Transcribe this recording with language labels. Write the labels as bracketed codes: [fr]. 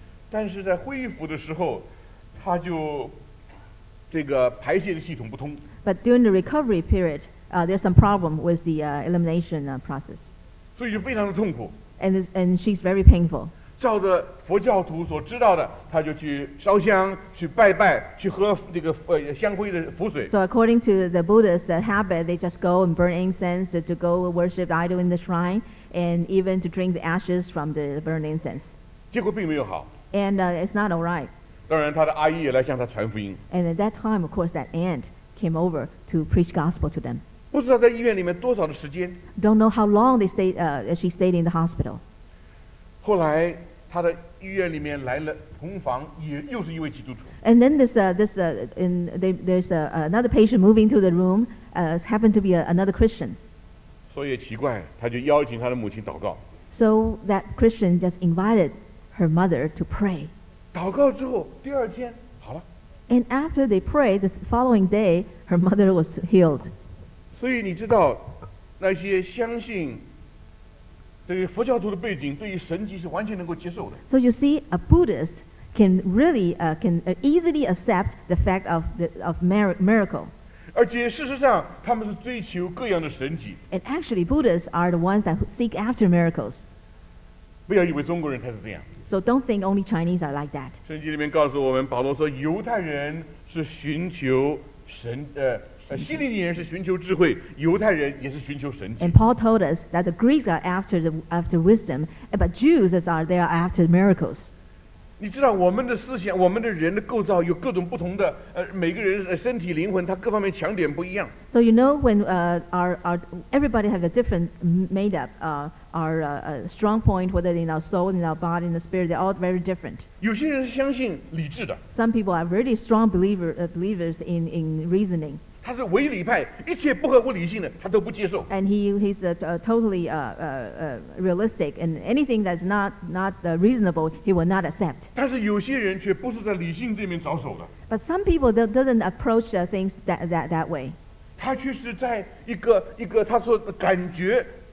[zh] 但是在恢复的时候，他就这个排泄的系统不通。 [en] But during the recovery period, there's some problem with the elimination process. [zh] 所以就非常的痛苦。 [en] And she's very painful. [zh] 照着佛教徒所知道的，他就去烧香、去拜拜、去喝那个香灰的符水。 [en] So according to the Buddhist habit, they just go and burn incense to go worship the idol in the shrine. And even to drink the ashes from the burned incense. [zh] 结果并没有好。 [en] And it's not all right. [zh] 当然，他的阿姨也来向他传福音。 [en] And at that time, of course, that aunt came over to preach gospel to them. [zh] 不知道在医院里面多少的时间。 [en] Don't know how long they stayed. She stayed in the hospital. [zh] 后来，他的医院里面来了同房，又是一位基督徒。 [en] And then there's another patient moving to the room. Happened to be another Christian. [zh] 所以也奇怪，他就邀请他的母亲祷告。 [en] So that Christian just invited her mother to pray. [zh] 祷告之后，第二天好了。 [en] And after they prayed, the following day, her mother was healed. [zh] 所以你知道，那些相信这个佛教徒的背景，对于神迹是完全能够接受的。 [en] So you see, a Buddhist can really can easily accept the fact of miracle. [zh] 而且事实上他们是追求各样的神迹 [en] And actually Buddhists are the ones that seek after miracles [zh] 不要以为中国人才是这样 [en] So don't think only Chinese are like that [zh] 圣经里面告诉我们保罗说犹太人是寻求神希利尼人是寻求智慧犹太人也是寻求神迹 [en] And Paul told us that the Greeks are after wisdom but Jews are after miracles [zh] 你知道我们的思想，我们的人的构造有各种不同的，每个人身体灵魂它各方面强点不一样。 [en] So you know when our everybody have a different made up, strong point, whether in our soul, in our body, in the spirit, they're all very different. [zh] 有些人是相信理智的。 [en] Some people are really strong believers in reasoning. [zh] 他是唯理派，一切不合乎理性的他都不接受。 [en] And he's realistic, and anything that's not reasonable, he will not accept. [zh] 但是有些人却不是在理性这边着手的。 [en] But some people doesn't approach things that way. [zh] 他却是在一个他说感觉。